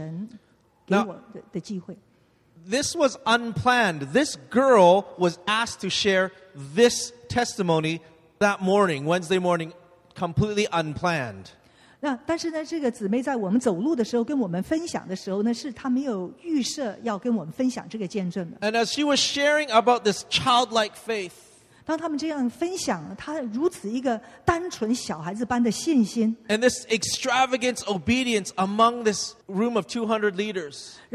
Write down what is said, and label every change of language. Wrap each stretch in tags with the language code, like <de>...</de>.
<zh>但是呢,如果呢,这次错过了这个聚集呢,就错过了神给我的机会。</zh> <en>This was unplanned. This girl was asked to share this testimony that morning, Wednesday morning, completely unplanned.</en> <zh>但是呢,这个姊妹在我们走路的时候跟我们分享的时候呢,是她没有预设要跟我们分享这个见证的。</zh> <en>And as she was sharing about this childlike faith,</en> <zh>当他们这样分享，他如此一个单纯小孩子般的信心。</zh> <en>And this extravagant obedience among this room of 200 leaders.</en>